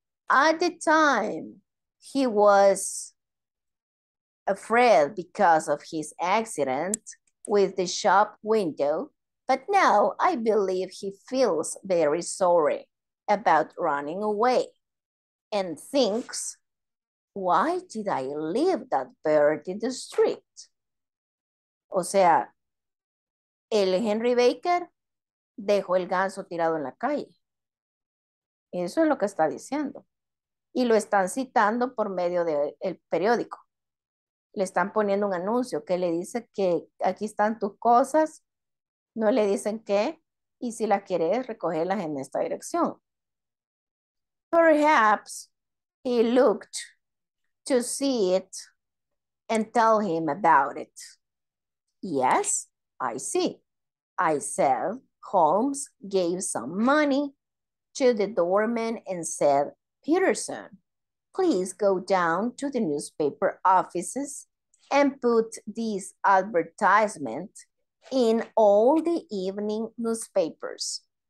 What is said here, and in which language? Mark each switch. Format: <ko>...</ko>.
<en>At the time, he was afraid because of his accident with the shop window, but now I believe he feels very sorry about running away and thinks, why did I leave that bird in the street?</en> <es>O sea, el Henry Baker dejó el ganso tirado en la calle. Eso es lo que está diciendo. Y lo están citando por medio del periódico. Le están poniendo un anuncio que le dice que aquí están tus cosas, no le dicen qué, y si las quieres, recogerlas en esta dirección.</es> <en>Perhaps he looked to see it and tell him about it. Yes, I see. I said, Holmes gave some money to the doorman and said, Peterson, please go down to the newspaper offices and put this advertisement in all the evening newspapers.</en>